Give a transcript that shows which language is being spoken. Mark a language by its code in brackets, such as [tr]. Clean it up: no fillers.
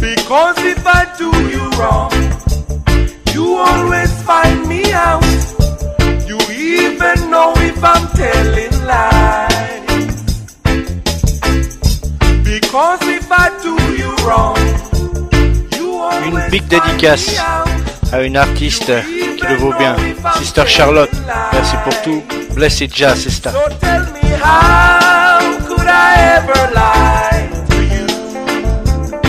[en] Because if I do you wrong, always find me out. You even know if I'm telling lies. Because if I do you wrong, you always find me out. [fr] Une big dédicace à une artiste qui le vaut bien, Sister Charlotte. Merci pour tout. [en] Blessed Jazz, sister. So tell me, how could I ever lie to you?